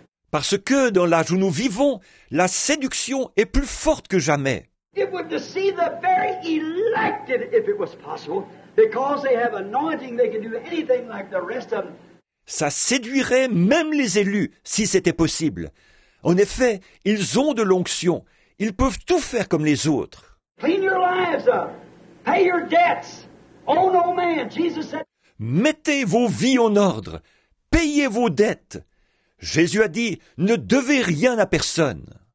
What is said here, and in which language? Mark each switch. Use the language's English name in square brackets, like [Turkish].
[French] Parce que dans l'âge où nous vivons, la séduction est plus forte que jamais. [English] It would deceive the very elected if it was possible, because they have anointing, they can do anything like the rest of them. [French] Ça séduirait même les élus si c'était possible. En effet, ils ont de l'onction, ils peuvent tout faire comme les autres. [English] Clean your lives up, pay your debts, own no man. Jesus said. [French] Mettez vos vies en ordre, payez vos dettes. Jésus a dit, ne devez rien à personne.